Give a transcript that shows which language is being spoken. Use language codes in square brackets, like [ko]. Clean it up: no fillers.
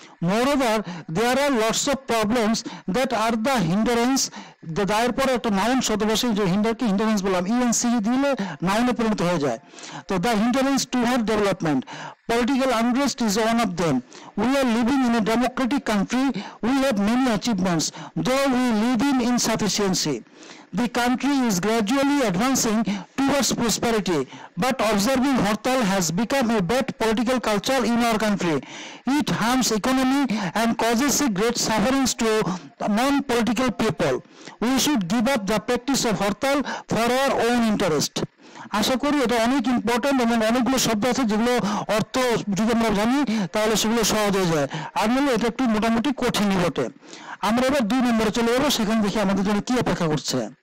[en] moreover there are lots of problems that are the hindrance, [bn] দায়ের পরে একটা নাউন শব্দ বসে, যে হিন্ডারকে হিন্ডারেন্স বললাম, ইএনসি দিলে নাউনে পরিণত হয়ে যায়। [en] তো the hindrance to her development, political unrest is one of them. We are living in a democratic country, we have many achievements, though we live in insufficiency. The country is gradually advancing towards prosperity, but observing Hartal has become a bad political culture in our country. It harms economy and causes great sufferings to non-political people. We should give up the practice of Hartal for our own interest. [bn] আশা করি এটা অনেক important এবং অনেকগুলো শব্দ আছে যেগুলো অর্থ যদি আমরা জানি তাহলে সেগুলো সহজ হয়ে যায়, আর নাহলে এটা একটু মোটামুটি কঠিনই বটে। আমরা এবার 2 নম্বরে চলে যাবো, সেখানে দেখি আমাদের জন্য কি অপেক্ষা করছে।